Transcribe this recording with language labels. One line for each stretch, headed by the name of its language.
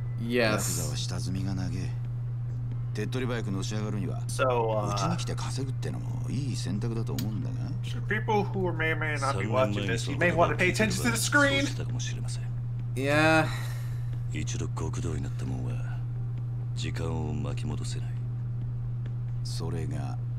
Japanese: ヤクザは下積みが長え。手っ取り早くのし上がるには、うちに来て稼ぐってのもいい選択だと思うんだが。
English: For people who may or may not be watching this, you may want to pay attention to the screen. Yeah.
Japanese: 一度極道になったもんは時間を巻き戻せない。それが